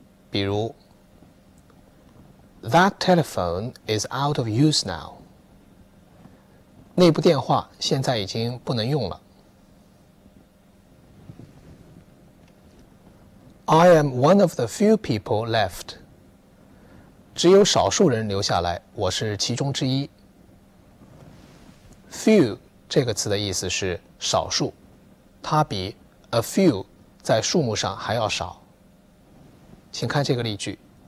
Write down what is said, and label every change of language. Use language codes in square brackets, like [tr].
[zh] 比如 [en] That telephone is out of use now. [zh] 那部电话现在已经不能用了。 [en] I am one of the few people left. [zh] 只有少数人留下来，我是其中之一。 Few 这个词的意思是少数，它比 a few 在数目上还要少。请看这个例句。